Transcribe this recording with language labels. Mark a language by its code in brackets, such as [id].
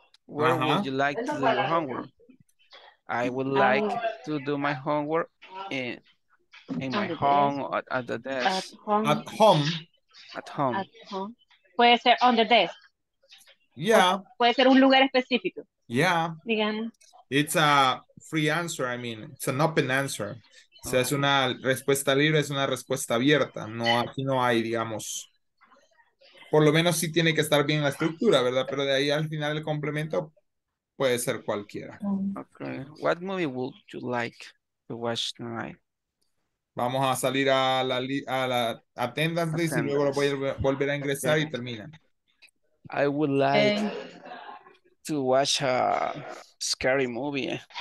[en] Where would you like to do your homework? I would like to do my homework in my home or at the desk. At home. At home. At home. [es] Puede ser [en] on the desk. Yeah. [es] Puede ser un lugar específico. [en] Yeah. [es] Digamos. [en] It's a free answer, I mean, it's an open answer. Okay. [es] O sea, es una respuesta libre, es una respuesta abierta. No, aquí no hay, digamos. Por lo menos sí tiene que estar bien la estructura, ¿verdad? Pero de ahí al final el complemento puede ser cualquiera. [en] Okay. What movie would you like to watch tonight? [es] Vamos a salir a la attendance list y luego lo voy a volver a ingresar, okay. Y termina. [en] I would like to watch a scary movie.